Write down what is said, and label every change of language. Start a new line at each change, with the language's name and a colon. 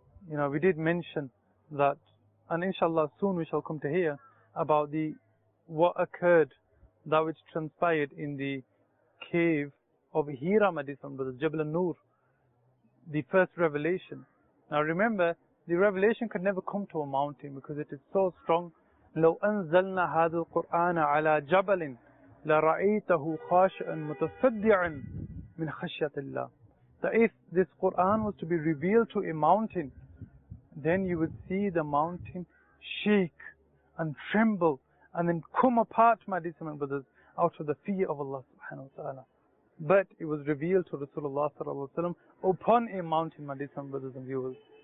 English: You know, we did mention that, and inshallah, soon we shall come to hear about the what occurred, that which transpired in the cave of Hira, ladies and brothers, Jabal al-Nur, the first revelation. Now remember, the revelation could never come to a mountain because it is so strong.
Arabic: لو أنزلنا هذا القرآن على جبل لرأيته خاشعا متصدعا من خشية الله.
English: That if this Quran was to be revealed to a mountain, then you would see the mountain shake and tremble and then come apart, my dear brothers, out of the fear of Allah subhanahu wa ta'ala. But it was revealed to Rasulullah sallallahu alaihi wasallam upon a mountain, my dear brothers and viewers.